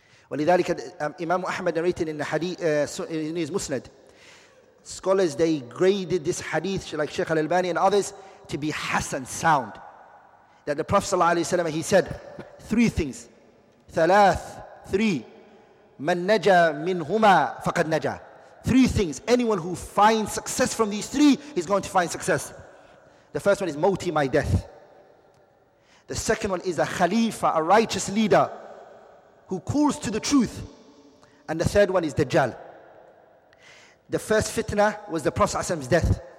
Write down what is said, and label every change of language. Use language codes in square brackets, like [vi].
[en] ولذلك, Imam Ahmad narrated in the hadith, in his Musnad. Scholars, they graded this hadith, like Sheikh Al-Albani and others, to be hasan, sound. That the Prophet sallallahu alayhi wa sallam, he said three things. Thalath. [ar] Three, من نجا منهما فقد نجا. [en] Three things. Anyone who finds success from these three is going to find success. The first one is موتي, my death. The second one is a khalifa, a righteous leader who calls to the truth. And the third one is Dajjal. The first fitna was the Prophet's death.